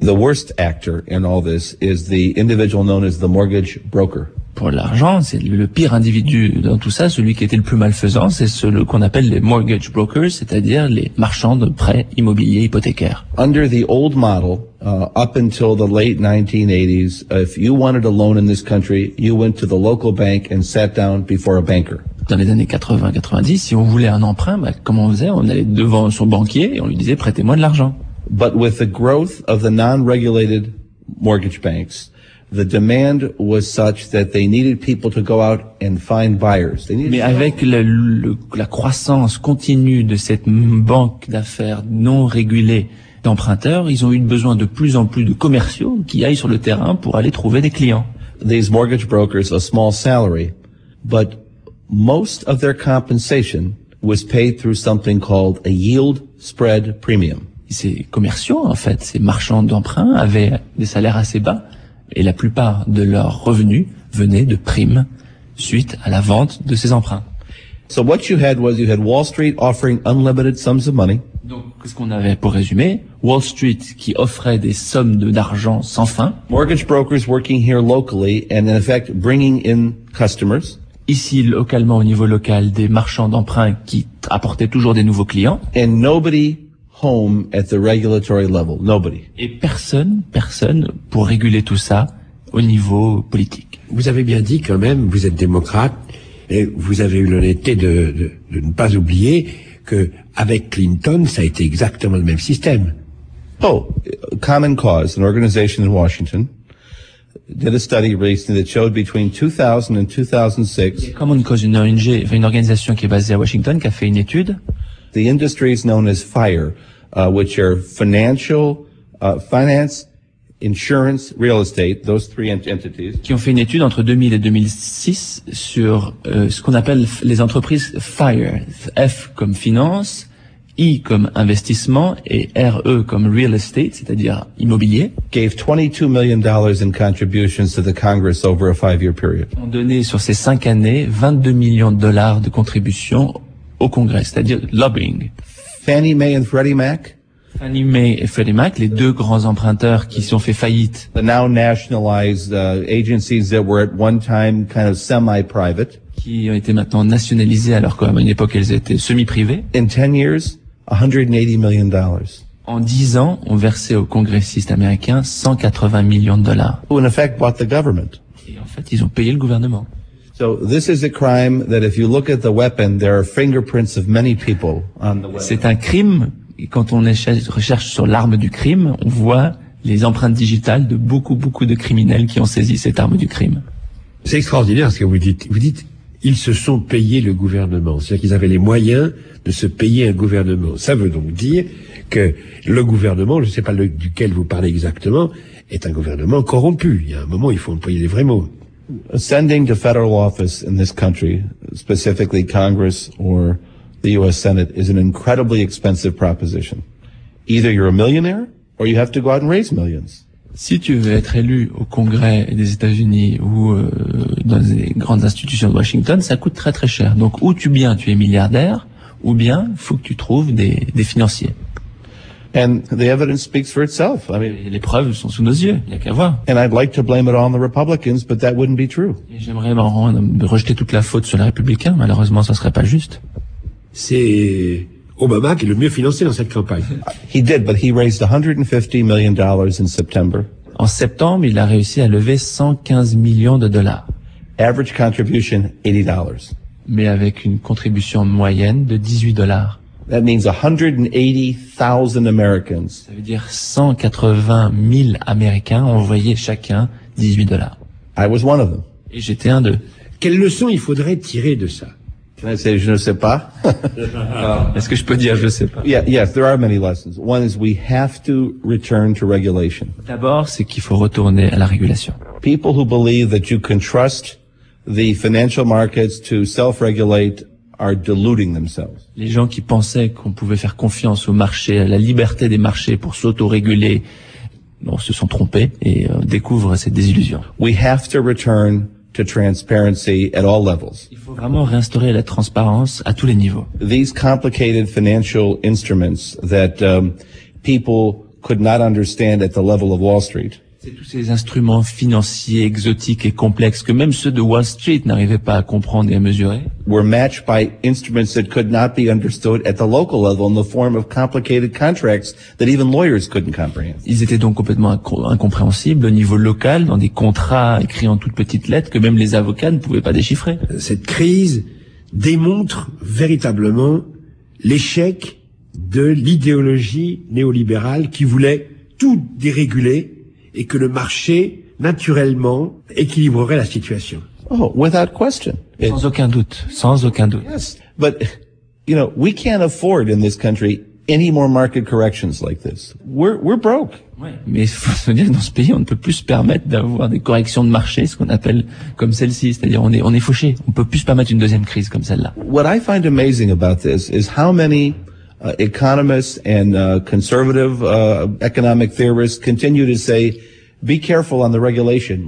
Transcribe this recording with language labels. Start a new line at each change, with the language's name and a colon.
English: The worst actor in all this is the individual known as the mortgage broker.
French: Pour l'argent, c'est le pire individu dans tout ça, celui qui était le plus malfaisant, c'est celui qu'on appelle les mortgage brokers, c'est-à-dire les marchands de prêts immobiliers hypothécaires.
English: Under the old model, up until the late 1980s, if you wanted a loan in this country, you went to the local bank and sat down before a banker.
French: Dans les années 80-90, si on voulait un emprunt, bah, comment on faisait? On allait devant son banquier et on lui disait, prêtez-moi de l'argent.
English: But with the growth of the non-regulated mortgage banks, the demand was such that they needed people to go out and find buyers.
French: Mais avec la croissance continue de cette banque d'affaires non régulée d'emprunteurs, ils ont eu besoin de plus en plus de commerciaux qui aillent sur le terrain pour aller trouver des clients.
English: These mortgage brokers a small salary, but most of their compensation was paid through something called a yield spread premium.
French: Ces commerciaux, en fait, ces marchands d'emprunts avaient des salaires assez bas. Et la plupart de leurs revenus venaient de primes suite à la vente de ces emprunts.
English: So what you had was you had Wall Street offering unlimited sums of money.
French: Donc, qu'est-ce qu'on avait pour résumer? Wall Street qui offrait des sommes d'argent sans fin.
English: Mortgage brokers working here locally and in effect bringing in customers.
French: Ici, localement, au niveau local, des marchands d'emprunts qui apportaient toujours des nouveaux clients.
English: And nobody home at the regulatory level. Nobody.
French: Et personne pour réguler tout ça au niveau politique. Vous avez bien dit quand même, vous êtes démocrate et vous avez eu l'honnêteté de ne pas oublier que avec Clinton, ça a été exactement le même système.
English: Oh, Common Cause, an organization in Washington, did a study recently that showed between 2000 and 2006.
French: Common Cause, une organisation qui est basée à Washington, qui a fait une étude.
English: The industry is known as FIRE, which are finance, insurance, real estate, those three entities.
French: Qui ont fait une étude entre 2000 et 2006 sur ce qu'on appelle les entreprises FIRE. F comme finance, I comme investissement et RE comme real estate, c'est-à-dire immobilier,
English: gave $22 million in contributions to the Congress over a five-year period.
French: Ont donné sur ces cinq années $22 million de contributions au Congrès, c'est-à-dire lobbying.
English: Fannie Mae and Freddie Mac.
French: Fannie Mae et Freddie Mac, les deux grands emprunteurs qui se sont fait faillite.
English: The now nationalized agencies that were at one time kind of semi-private.
French: Qui ont été maintenant nationalisées alors qu'à une époque elles étaient semi-privées.
English: In 10 years, $180 million.
French: En 10 ans, on versait aux congressistes américains $180 million.
English: Who in effect bought the government.
French: Et en fait, ils ont payé le gouvernement.
English: So this is a crime that if you look at the weapon, there are fingerprints of many people on the weapon.
French: C'est un crime. Et quand on recherche sur l'arme du crime, on voit les empreintes digitales de beaucoup, beaucoup de criminels qui ont saisi cette arme du crime. C'est extraordinaire ce que vous dites. Vous dites, ils se sont payés le gouvernement. C'est-à-dire qu'ils avaient les moyens de se payer un gouvernement. Ça veut donc dire que le gouvernement, je ne sais pas duquel vous parlez exactement, est un gouvernement corrompu. Il y a un moment, il faut employer les vrais mots.
English: Ascending to federal office in this country, specifically Congress or the U.S. Senate, is an incredibly expensive proposition. Either you're a millionaire, or you have to go out and raise millions.
French: Si tu veux être élu au Congrès des États-Unis ou dans les grandes institutions de Washington, ça coûte très très cher. Donc, ou tu es milliardaire, ou bien faut que tu trouves des financiers.
English: And the evidence speaks for itself. I mean,
French: les preuves sont sous nos yeux. Il n'y a qu'à voir.
English: And I'd like to blame it on the Republicans, but that wouldn't be true.
French: Et j'aimerais rejeter toute la faute sur les Républicains. Malheureusement, ça serait pas juste. C'est Obama qui est le mieux financé dans cette campagne.
English: He did, but he raised $150 million in September.
French: En septembre, il a réussi à lever $115 million.
English: Average contribution $80.
French: Mais avec une contribution moyenne de $18.
English: That means 180,000 Americans.
French: Ça veut dire 180 000 Américains ont envoyé chacun $18.
English: I was one of them.
French: Et j'étais un d'eux. Quelle leçon il faudrait tirer de ça? Je ne sais pas. Est-ce que je peux dire je ne sais pas?
English: Yes, there are many lessons. One is we have to return to regulation.
French: D'abord, c'est qu'il faut retourner à la régulation.
English: People who believe that you can trust the financial markets to self-regulate are deluding themselves.
French: Les gens qui pensaient qu'on pouvait faire confiance au marché, à la liberté des marchés pour s'auto-réguler, se sont trompés et découvrent cette désillusion.
English: We have to return to transparency at all levels.
French: Il faut vraiment réinstaurer la transparence à tous les niveaux.
English: These complicated financial instruments that people could not understand at the level of Wall Street.
French: C'est tous ces instruments financiers exotiques et complexes que même ceux de Wall Street n'arrivaient pas à comprendre et à mesurer.
English: Were matched by instruments that could not be understood at the local level in the form of complicated contracts that even lawyers couldn't comprehend.
French: Ils étaient donc complètement incompréhensibles au niveau local dans des contrats écrits en toutes petites lettres que même les avocats ne pouvaient pas déchiffrer. Cette crise démontre véritablement l'échec de l'idéologie néolibérale qui voulait tout déréguler et que le marché, naturellement, équilibrerait la situation.
English: Oh, without question.
French: Sans aucun doute. Sans aucun doute.
English: Yes. But, you know, we can't afford in this country any more market corrections like this. We're broke.
French: Ouais. Mais faut se dire, dans ce pays, on ne peut plus se permettre d'avoir des corrections de marché, ce qu'on appelle comme celle-ci. C'est-à-dire, on est fauché. On peut plus se permettre une deuxième crise comme celle-là.
English: What I find amazing about this is how many economists and conservative economic theorists continue to say, be careful on the regulation.